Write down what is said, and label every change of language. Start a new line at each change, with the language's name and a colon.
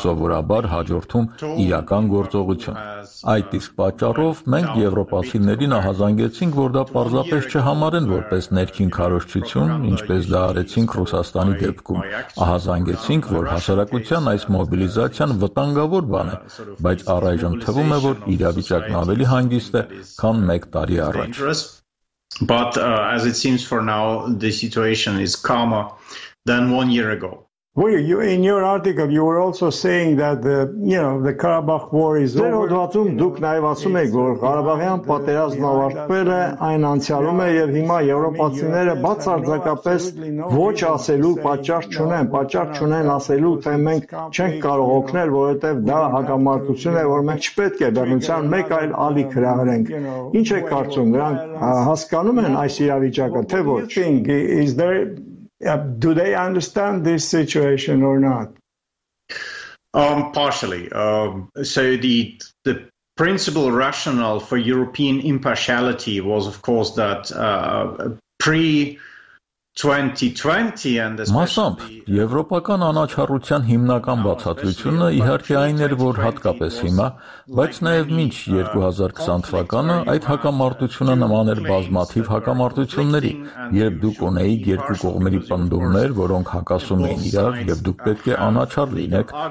Armenian: սովորաբար հաջորդում իրական գործողություն։ Այդ իսկ պատճառով մենք եվրոպացիներին ահազանգեցինք, որ դա պարզապես չհամարեն որպես ներքին քարոշչություն, ինչպես դա արեցինք Ռուսաստանի դեպքում։ Ահազանգեցինք, որ հասարակության այս մոբիլիզացիան վտանգավոր բան է, բայց առայժմ թվում է, որ իրավիճակն ավելի հանգիստ է, քան մեկ տարի առաջ։
English: But as it seems for now, the situation is calmer than 1 year ago. Well, you, in your article, you were also saying that the, you know, the Karabakh war is over.
Armenian: Դեռ ոդվածում դուք նաև ասում եք, որ Ղարաբաղյան պատերազմն ավարտվել է, այն անցյալում է, եւ հիմա եվրոպացիները բացարձակապես ոչ ասելու պատճառ չունեն, ասելու, թե մենք չենք կարող օգնել, որովհետեւ դա հակամարտություն է, որ մենք չպետք է բռնության մեկ այլ ալի հրահրենք։ Ինչ եք կարծում, դրանք հասկանում են այս իրավիճակը, թե ոչ։
English: Is there do they understand this situation or not? Partially. So the principal rationale for European impartiality was, of course, that pre 2020 and
Armenian: մասամբ եվրոպական անաչառության հիմնական բացատրությունը իհարկե այն էր, որ հատկապես հիմա, բայց նաև մինչ 2020 թվականը այդ հակամարտությունը նման էր բազմաթիվ հակամարտությունների, երբ դուք ունեիք երկու կողմերի պնդումներ, որոնք հակասում էին իրար, եւ դուք պետք է անաչառ լինեք,